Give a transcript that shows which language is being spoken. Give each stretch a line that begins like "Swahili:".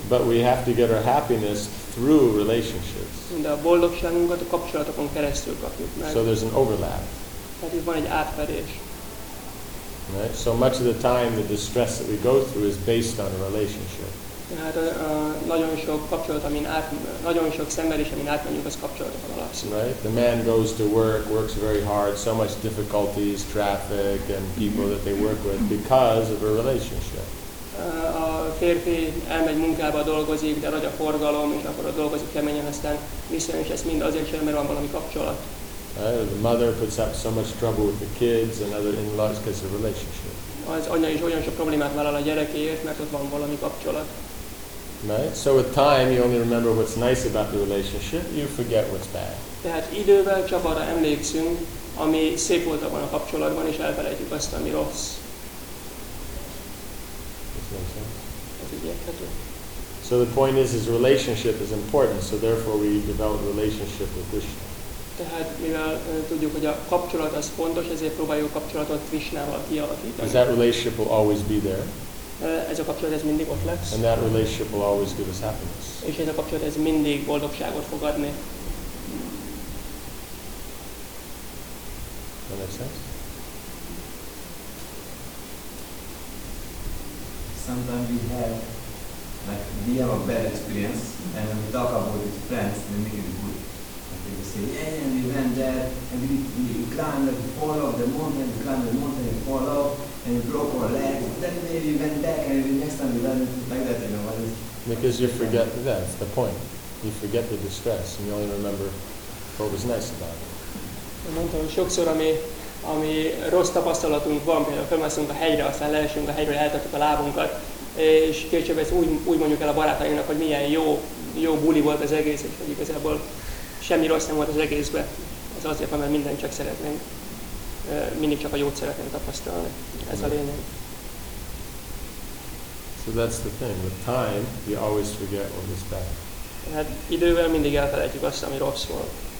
English: But we have to get our happiness through relationships.
Hungarian: De a boldogságunkat a kapcsolatokon keresztül kapjuk meg.
English: So there's an overlap.
Hungarian: Tehát itt van egy átfedés.
English: Right. So much of the time the distress that we go through is based on a relationship.
Hungarian: Tehát nagyon sok szenvedés, amin átmenjünk, az kapcsolatokon alapszik.
English: Right? The man goes to work, works very hard, so much difficulties, traffic, and people that they work with because of a relationship.
Hungarian: A férfi elmegy munkába, dolgozik, de nagy a forgalom, és akkor ott dolgozik keményen, aztán viszonyos, ez mind azért sem, mert van valami kapcsolat.
English: Right? The mother puts up so much trouble with the kids and other in-laws because of a relationship.
Hungarian: Az anya is olyan sok problémát vállal a gyerekéért, mert ott van valami kapcsolat.
English: Right? So with time, you only remember what's nice about the relationship, you forget what's bad.
Hungarian: Tehát idővel csak arra emlékszünk, ami szép volt abban a kapcsolatban, és elfelejtjük azt, ami rossz. Ez így érthető.
English: So the point is relationship is important, so therefore we develop relationship with Krishna.
Hungarian: Tehát mivel tudjuk, hogy a kapcsolat az fontos, ezért próbáljuk a kapcsolatot Krishnával kialakítani.
English: That relationship will always be there.
Hungarian: Ez a kapcsolat ez mindig ott lesz.
English: And that relationship will always give us happiness.
Hungarian: És ez a kapcsolat ez mindig boldogságot fog adni.
English: That makes sense? Sometimes we have, like, we have a bad experience, and when we talk about it with friends, they make it good. They say, yeah, and we went there, and we climbed and fall off the mountain, we climbed the mountain and fall off, and we broke our leg. Then maybe we went back, and next time we learn like that, you know what is? Because you forget, that's the point. You forget the distress, and you only remember what was nice about it. I mentioned
Hungarian: sokszor, ami rossz tapasztalatunk van, például felmászunk a hegyre, aztán leesünk a hegyre, eltartjuk a lábunkat, és később ezt úgy mondjuk el a barátainknak, hogy milyen jó buli volt az egész, és hogy igazából semmi rossz nem volt az egészbe. Ez azért van, mert mindent csak szeretnénk. Mindig csak a jót szeretnénk tapasztalni. Ez a lényeg.
English: So that's the thing. With time, you always forget what is bad.
Hungarian: Hát idővel mindig elfelejtjük azt, ami rossz volt.